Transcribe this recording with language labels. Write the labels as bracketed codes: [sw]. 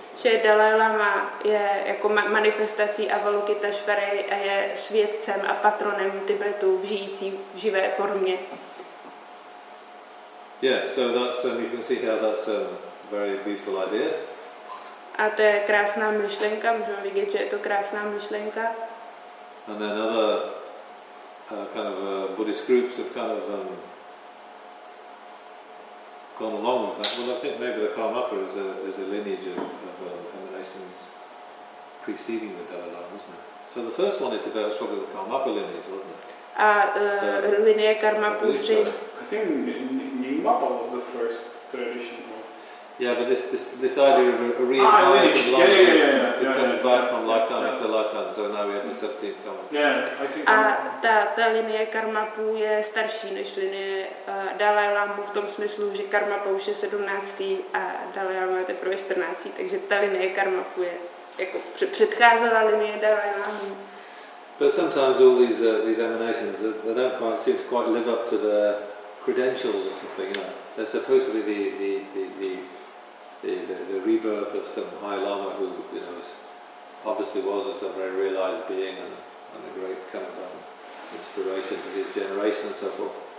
[cs] Že Dalai Lama je jako manifestací Avalokiteshvary a je světcem a patronem Tibetu v žijící v živé formě. [en] Yeah, so that's you can see how that's a very beautiful idea. [cs] A to je krásná myšlenka, můžeme vidět, že je to krásná myšlenka. [en] And then another kind of Buddhist groups have kind of gone along with that. Well, I think maybe the Karmapa is a lineage of emanations preceding the Dalai Lama, isn't it? So the first one in Tibet was probably the Karmapa lineage, wasn't it? [cs] Linie Karmapa. [en] I think Nyingmapa was the first tradition. Yeah, but this idea of a reincarnation comes back from lifetime after lifetime. So now we have the 17th karma. Yeah, I think. [cs] A ta linie karmapu je starší než linie Dalai Lama v tom smyslu, že karmapu už je 17. a Dalai Lama je teprve 14. Takže ta linie karmapu je jako předcházela linie Dalai Lama. [en] But sometimes all these emanations, they don't quite seem to quite live up to the credentials or something, you know. They're supposed to be the rebirth of some high lama who, you know, was obviously a very realized being and a great kind of inspiration to his generation and so forth.